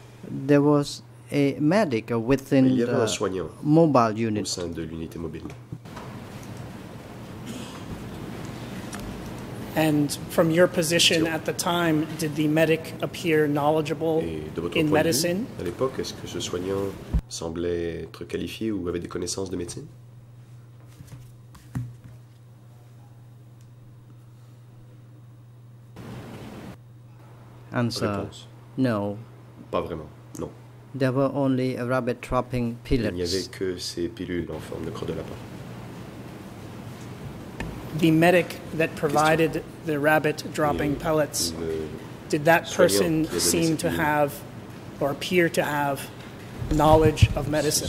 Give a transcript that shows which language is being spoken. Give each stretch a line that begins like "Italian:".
English: There was a medic within the mobile unit.
French: Au sein de l'unité mobile.
English: And from your position at the time, did the medic appear knowledgeable in medicine?
French: À l'époque, est-ce que ce soignant semblait être qualifié ou avait des connaissances de médecine?
English: Answer.
French: Réponse.
English: No.
French: Pas vraiment. Non.
English: There were only rabbit trapping pellets.
French: Il n'y avait que ces pilules en forme de crotte de lapin.
English: The medic that provided the rabbit dropping pellets, did that person seem to have or appear to have knowledge of medicine?